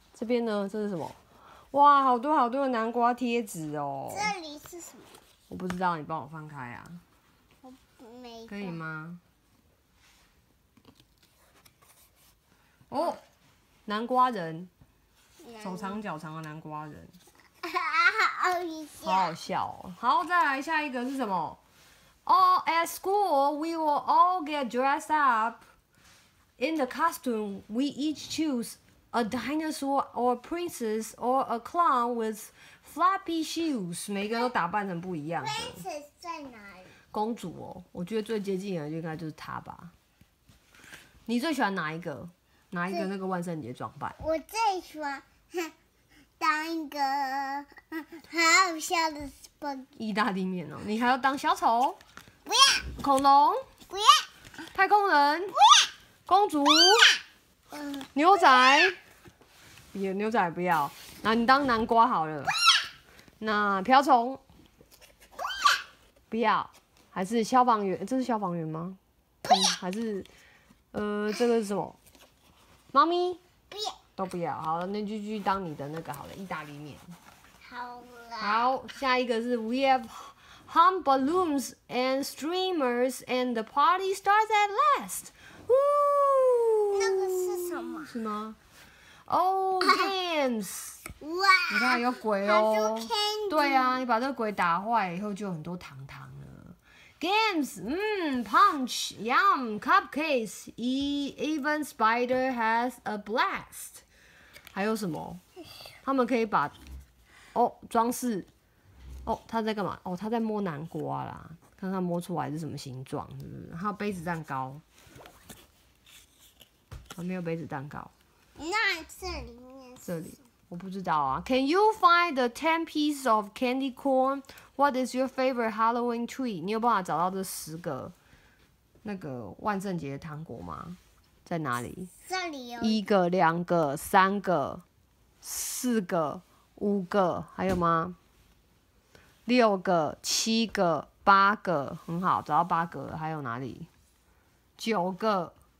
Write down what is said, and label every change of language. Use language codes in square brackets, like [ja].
[zh] 这边呢？这是什么？哇，好多好多的南瓜贴纸哦！这里是什么？我不知道，你帮我翻开啊。我没。可以吗？哦，南瓜人，手长脚长的南瓜人。好笑。好好笑哦！好，再来下一个是什么 [en] ？All at school, we will all get dressed up in the costume we each choose. A dinosaur or a princess or a clown with floppy shoes， [zh] 每个都打扮成不一样的。 Princess 在哪里？公主哦，我觉得最接近的应该就是她吧。你最喜欢哪一个？哪一个那个万圣节装扮？我最喜欢当一个很好笑的 Spooky 意大利面哦。你还要当小丑？不要。恐龙？不要。太空人？不要。公主？不要。牛仔，也牛仔不要，那你当南瓜好了。不要。那瓢虫。不要。不要，还是消防员？这是消防员吗？不要。还是，这个是什么？猫咪。不要。都不要。好了，那就去当你的那个好了，意大利面。好了。好，下一个是 [en] We have hot balloons and streamers and the party starts at last。呜。 [zh] 那个是什么？是吗？ [en] Oh, games! [zh] 哇，你看有鬼哦。对啊，你把这个鬼打坏以后就很多糖糖了。 [en] Games, punch, yum, cupcakes, even spider has a blast. [zh] 还有什么？他们可以把哦装饰哦，他在干嘛？哦，他在摸南瓜啦，看看摸出来是什么形状，是不是？还有杯子蛋糕，还没有杯子蛋糕。那这里面是什麼？这里我不知道啊。 [en] Can you find the 10 pieces of candy corn? What is your favorite Halloween treat? [zh] 你有办法找到这十个那个万圣节糖果吗？在哪里？这里有一个、两个、三个、四个、五个，还有吗？六个、七个、八个，很好，找到八个。还有哪里？九个。